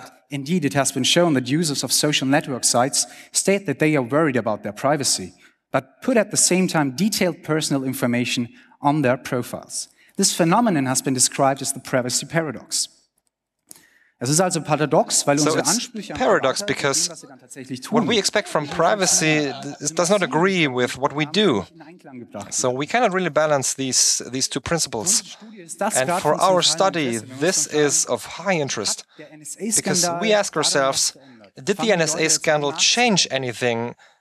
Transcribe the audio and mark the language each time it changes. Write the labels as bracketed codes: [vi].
[en] Indeed, it has been shown that users of social network sites state that they are worried about their privacy, but put at the same time detailed personal information on their profiles. This phenomenon has been described as the privacy paradox. [de] Es ist also paradox, weil unsere Ansprüche an Privacy. [en] So it's paradox because what we expect from privacy does not agree with what we do. So we cannot really balance these two principles. And for our study, this is of high interest because we ask ourselves, did the NSA scandal change anything?